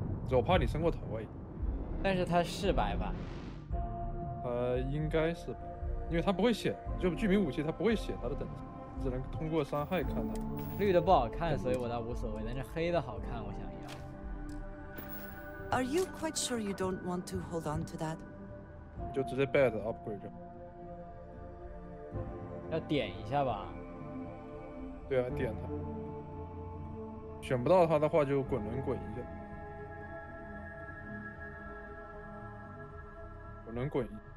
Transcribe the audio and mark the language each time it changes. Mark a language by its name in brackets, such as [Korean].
[Chinese] 我怕你升过头而已。但是它是白板。应该是，因为它不会写，就巨名武器它不会写它的等级，只能通过伤害看它。绿的不好看，所以我倒无所谓，但是黑的好看，我想要。 [English] Are you quite sure you don't want to hold on to that? [Chinese] 就直接 [English] bad upgrade [Chinese] 就。要点一下吧。对啊，点它。选不到它的话，就滚轮滚一下。滚轮滚一下。